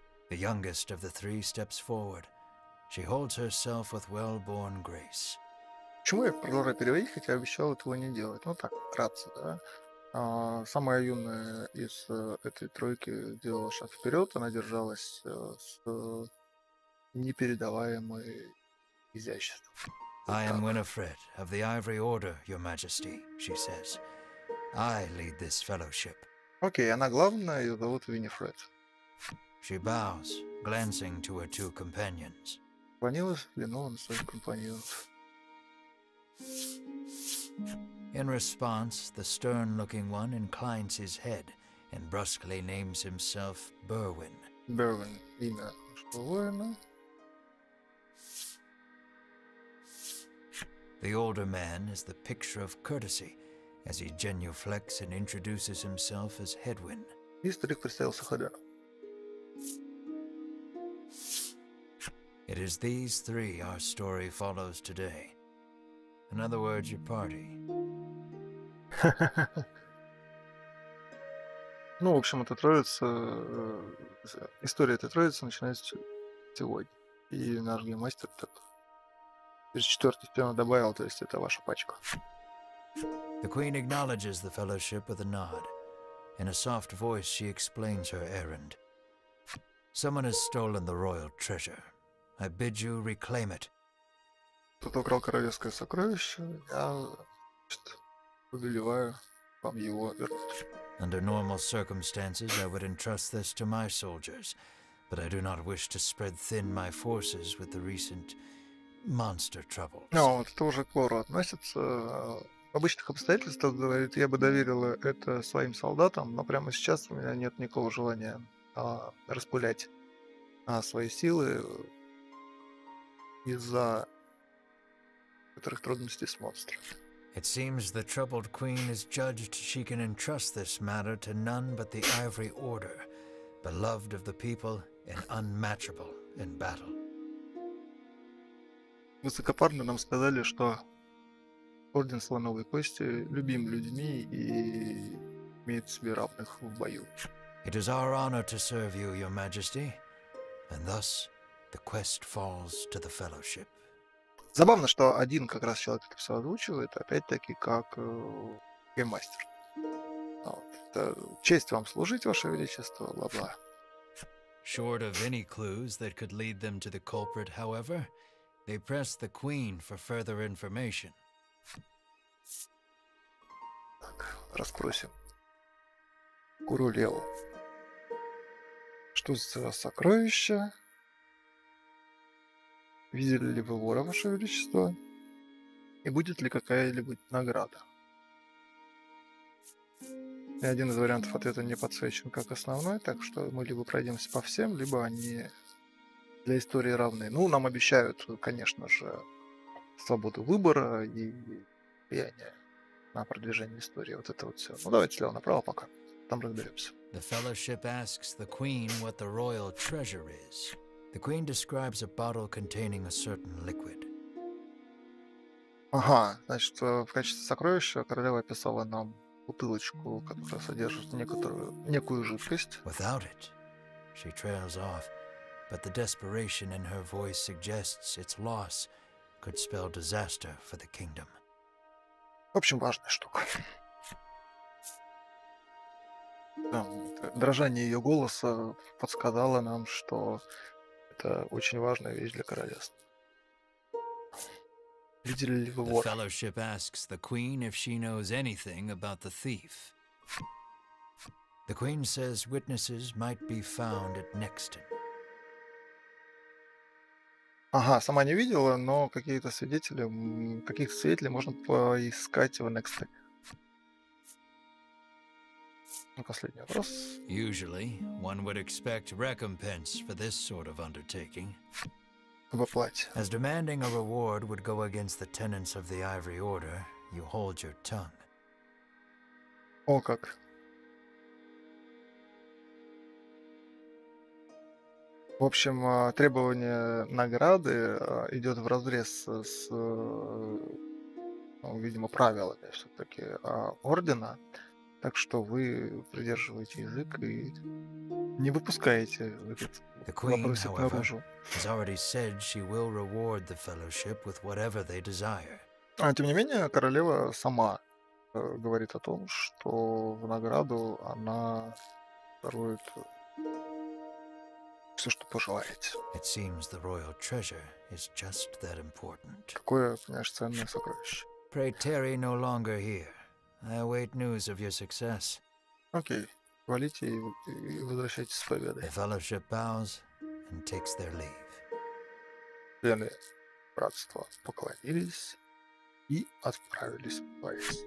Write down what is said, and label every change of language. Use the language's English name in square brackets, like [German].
[English] The youngest of the three steps forward. She holds herself with well-born grace. [Russian] Почему я продолжаю переводить, хотя обещал этого не делать? Ну так, вкратце, да. Самая юная из этой тройки делала шаг вперед. Она держалась с непередаваемой изяществом. [English] I am Winifred of the Ivory Order, your majesty, she says. I lead this fellowship. [Russian] Окей, она главная, ее зовут Виннифред. [English] She bows, glancing to her two companions. [Russian] Поклонилась, взглянула на своих компаньонов. [English] In response, the stern-looking one inclines his head and brusquely names himself Berwin. [Russian] Бервин, имя что воина. [English] The older man is the picture of courtesy. As he genuflects and introduces himself as Hedwin. [Russian] И старик представился Хедвин. [English] It is these three our story follows today. In other words, your party. [Russian] Ну, в общем, эта троица... История этой троицы начинается сегодня. И наш геймастер так... Через четвертый спину добавил, то есть это ваша пачка. [English] The queen acknowledges the fellowship with a nod. In a soft voice, she explains her errand. Someone has stolen the royal treasure. I bid you reclaim it. [Russian] Кто-то украл королевское сокровище, я повелеваю вам его вернуть. [English] Under normal circumstances, I would entrust this to my soldiers, but I do not wish to spread thin my forces with the recent monster troubles. [Russian] Ну, вот это уже к лору относится. В обычных обстоятельствах, говорит, я бы доверила это своим солдатам, но прямо сейчас у меня нет никакого желания распылять свои силы из-за некоторых трудностей с монстрами. [English] It seems the troubled queen has judged she can entrust this matter to none but the Ivory Order, beloved of the people and unmatchable in battle. [Russian] Высокопарно нам сказали, что Орден Слоновой Кости любим людьми и имеет себе равных в бою. [English] It is our honor to serve you, your majesty, and thus the quest falls to the fellowship. [Russian] Забавно, что один как раз человек это все озвучивает, опять-таки, как гейммастер. Вот. Честь вам служить, ваше величество, бла-бла. [English] Short of any clues that could lead them to the culprit, however, they press the queen for further information. [Russian] Так, расспросим Курулеву. Что за сокровище? Видели ли вы вора, ваше величество? И будет ли какая-либо награда? И один из вариантов ответа не подсвечен как основной, так что мы либо пройдемся по всем, либо они для истории равны. Ну, нам обещают, конечно же, свободу выбора и влияние на продвижение истории. Вот это вот все. Ну, давайте слева направо пока. Там разберемся. [English] The Fellowship asks the Queen what the royal treasure is. The Queen describes a bottle containing a certain liquid. [Russian] Ага, значит, в качестве сокровища королева описала нам бутылочку, которая содержит некую жидкость. [English] Without it, she trails off, but the desperation in her voice suggests its loss could spell disaster for the kingdom. [Russian] В общем, важная штука. Там, дрожание ее голоса подсказало нам, что это очень важная вещь для королевства. Видели ли вы вор? [English] The fellowship asks the queen if she knows anything about the thief. The queen says witnesses might be found at Nexton. [Russian] Ага, сама не видела, но каких-то свидетелей можно поискать в Nexton. Ну, последний вопрос. [English] Usually one would expect recompense for this sort of undertaking. As demanding a reward would go against the tenets of the Ivory Order, you hold your tongue. [Russian] О, как. В общем, требование награды идет вразрез с, видимо, правилами все-таки ордена. Так что вы придерживаете язык и не выпускаете этот [English] The queen, however, [Russian] наружу. [English] Has already said she will reward the fellowship with whatever they desire. [Russian] А тем не менее, королева сама говорит о том, что в награду она дарует все, что пожелает. [English] It seems the royal treasure is just that important. [Russian] Какое, конечно, ценное сокровище. [English] Pray tarry no longer here. I await news of your success. Okay. [Russian] Валите и возвращайтесь с победой. [English] The fellowship bows and takes their leave. [Russian] Члены братства поклонились и отправились в бой.